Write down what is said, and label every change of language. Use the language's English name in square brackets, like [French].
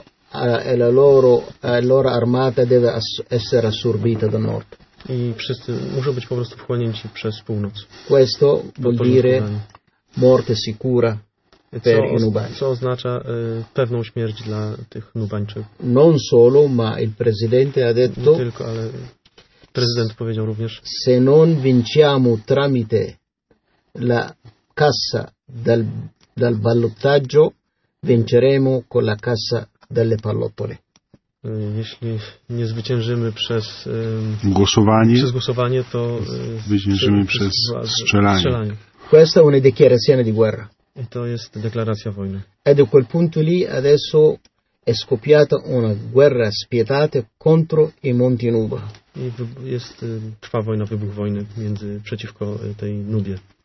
[Italian] La loro armata deve essere assorbita dal nord. [Polish] I wszyscy muszą być po prostu wchłonięci przez północ. [Italian] Questo vuol dire morte sicura. [Polish] Co oznacza pewną śmierć dla tych nubańczyków. [Italian] Non solo, ma il presidente ha detto. [Polish] Nie tylko, ale prezydent powiedział również. [Italian] Se non vinciamo tramite la cassa dal ballottaggio, vinceremo con la cassa delle pallottole. [Polish] Jeśli nie zwyciężymy przez głosowanie, to zwyciężymy przez strzelanie. [Italian] Questa è una dichiarazione di guerra. [Polish] I to jest deklaracja wojny. [Italian] E da quel punto lì adesso è scoppiata una guerra spietata contro i Monti Nuba. [Polish] I jest trwa wojna, wybuch wojny między przeciwko tej Nubie.